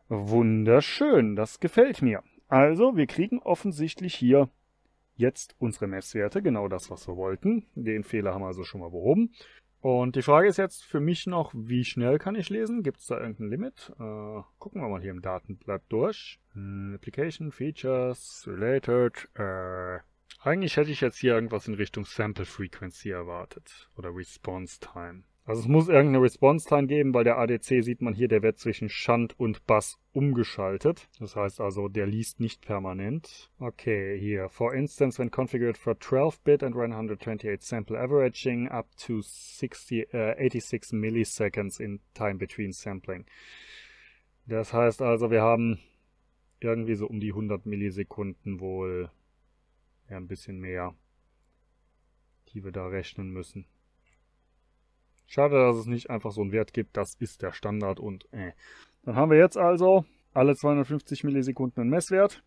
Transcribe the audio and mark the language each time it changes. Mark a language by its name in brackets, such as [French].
[German] Wunderschön, das gefällt mir. Also, wir kriegen offensichtlich hier jetzt unsere Messwerte, genau das, was wir wollten. Den Fehler haben wir also schon mal behoben. Und die Frage ist jetzt für mich noch, wie schnell kann ich lesen? Gibt es da irgendein Limit? Gucken wir mal hier im Datenblatt durch. Application, Features, Related. Eigentlich hätte ich jetzt hier irgendwas in Richtung Sample Frequency erwartet oder Response Time. Also es muss irgendeine Response Time geben, weil der ADC sieht man hier, der wird zwischen Shunt und Bus umgeschaltet. Das heißt also, der liest nicht permanent. Okay, hier. [English] For instance, when configured for 12-bit and ran 128 sample averaging up to 86 milliseconds in time between sampling. [German] Das heißt also, wir haben irgendwie so um die 100 Millisekunden wohl, ja, ein bisschen mehr, die wir da rechnen müssen. Schade, dass es nicht einfach so einen Wert gibt. Das ist der Standard und Dann haben wir jetzt also alle 250 Millisekunden einen Messwert.